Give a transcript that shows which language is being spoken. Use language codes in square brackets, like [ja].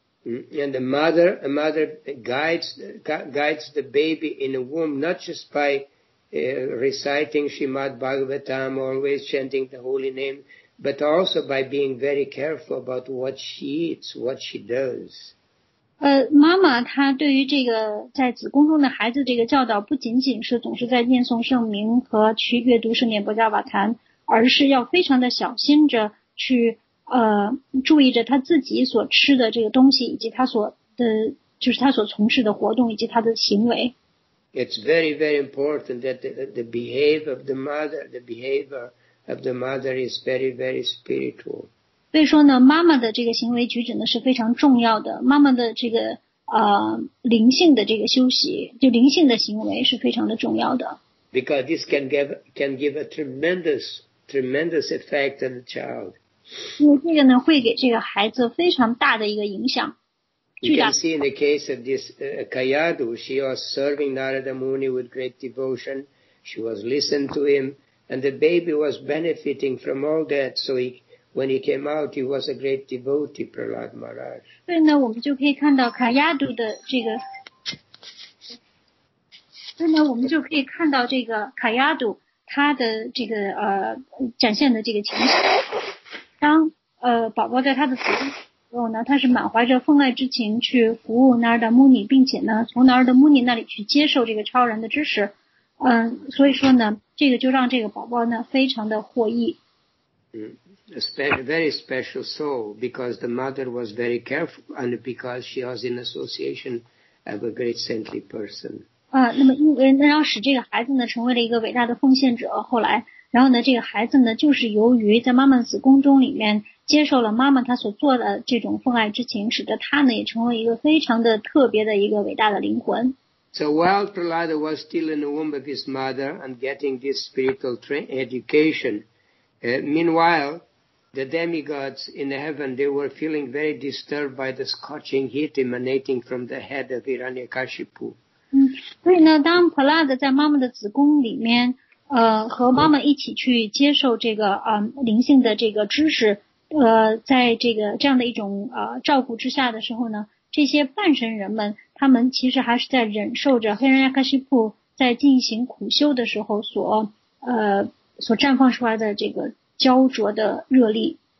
[en] And a mother guides the baby in the womb not just by reciting Srimad Bhagavatam, always chanting the holy name, but also by being very careful about what she eats, what she does. [zh] 妈妈她对于这个在子宫中的孩子这个教导，不仅仅是总是在念诵圣名和去阅读圣念波迦瓦坛，而是要非常的小心着去。注意着他自己所吃的这个东西，以及他所的，就是他所从事的活动，以及他的行为。 [en] It's very, very important that the behavior of the mother, the behavior of the mother is very, very spiritual. [zh] 所以说呢，妈妈的这个行为举止呢是非常重要的。妈妈的这个灵性的这个修习，就灵性的行为是非常的重要的。 [en] Because this can give a tremendous effect on the child. [zh] 因为这个呢，会给这个孩子非常大的一个影响。 [en] You can see in the case of this Kayadu, she was serving Narada Muni with great devotion. She was listening to him, and the baby was benefiting from all that. So when he came out, he was a great devotee, Prahlad Maharaj. [zh] 所以呢，我们就可以看到 Kayadu 的这个。所以呢，我们就可以看到这个 Kayadu 他的这个展现的这个情形。当宝宝在他的子宫时候呢，他是满怀着奉爱之情去服务纳尔达穆尼，并且呢从纳尔达穆尼那里去接受这个超然的知识。所以说呢，这个就让这个宝宝呢非常的获益。 [en] A very special soul, because the mother was very careful and because she was in association of a great saintly person. [zh] 那么因为那要使这个孩子呢成为了一个伟大的奉献者，后来。然后呢，这个孩子呢，就是由于在妈妈子宫中里面接受了妈妈她所做的这种奉爱之情，使得他呢也成为一个非常的特别的一个伟大的灵魂。 [en] So while Prahlada was still in the womb of his mother and getting this spiritual education, meanwhile, the demigods in the heaven, they were feeling very disturbed by the scorching heat emanating from the head of Hiranyakashipu. [zh] 所以呢，当 Prahlada 在妈妈的子宫里面。和妈妈一起去接受这个灵性的这个知识，在这个这样的一种照顾之下的时候呢，这些半神人们，他们其实还是在忍受着黑人亚克西普在进行苦修的时候所绽放出来的这个焦灼的热力。